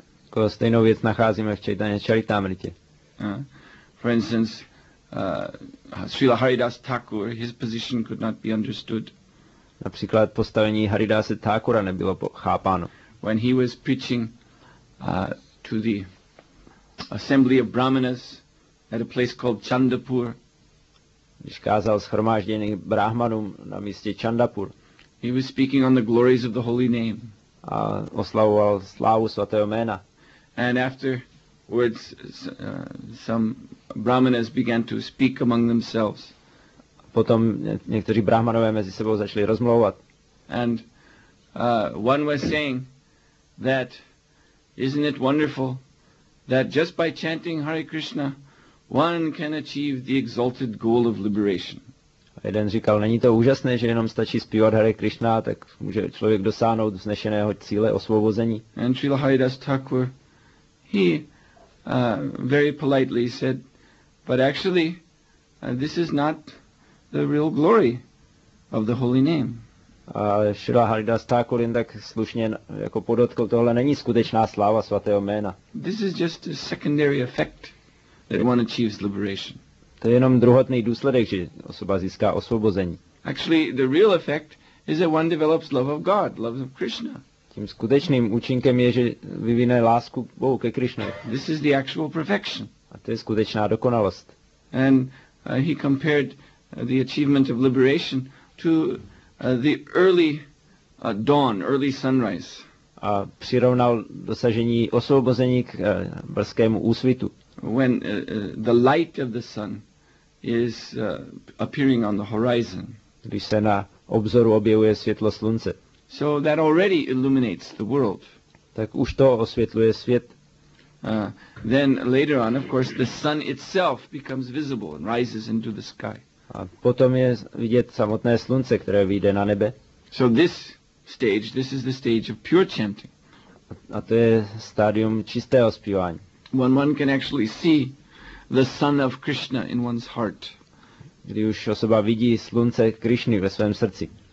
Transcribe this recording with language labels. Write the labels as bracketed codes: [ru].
[cs] Jako stejnou věc nacházíme v Chaitanya Charitamritě. [en] For instance, Srila Haridas Thakur, his position could not be understood. [cs] Například postavení Haridase Thakura nebylo chápáno. [en] When he was preaching to the assembly of brahmanas at a place called Chandapur. [cs] Když kázal shromáždění brahmanům na místě Chandapur. [en] He was speaking on the glories of the holy name. [cs] A oslavoval slávu svatého jména. [en] And afterwards some brahmanas began to speak among themselves. [cs] Potom někteří brahmanové mezi sebou začali rozmlouvat. [en] And one was saying that isn't it wonderful that just by chanting Hare Krishna one can achieve the exalted goal of liberation. [cs] A jeden říkal, není to úžasné, že jenom stačí zpívat Hare Krishna, tak může člověk dosáhnout vznešeného cíle osvobození. [en] And Srila Haridas Thakur, he very politely said, but actually this is not the real glory of the holy name. [cs] A Šrila Haridas Thakur jen tak slušně jako podotkl, tohle není skutečná sláva svatého jména. [en] This is just a secondary effect that one achieves liberation. [cs] To je jenom druhotný důsledek, že osoba získá osvobození. [en] Actually, the real effect is that one develops love of God, love of Krishna. [cs] Tím skutečným účinkem je, že vyvine lásku k Bohu, ke Krishna. [en] This is the actual perfection. [cs] A to je skutečná dokonalost. [en] And he compared the achievement of liberation to the early dawn, early sunrise. [cs] A přirovnal dosažení osvobození k brzkému úsvitu. [en] When the light of the sun is appearing on the horizon. [cs] Když se na obzoru objevuje světlo slunce. [en] So that already illuminates the world. [cs] Tak už to osvětluje svět. [en] Then later on, of course, the sun itself becomes visible and rises into the sky. [cs] A potom je vidět samotné slunce, které vyjde na nebe. [en] So this stage, this is the stage of pure chanting. [cs] A to je stádium čistého zpívání. [en] When one can actually see the sun of Krishna in one's heart. [cs] Kdy už osoba vidí slunce Krišny ve svém srdci.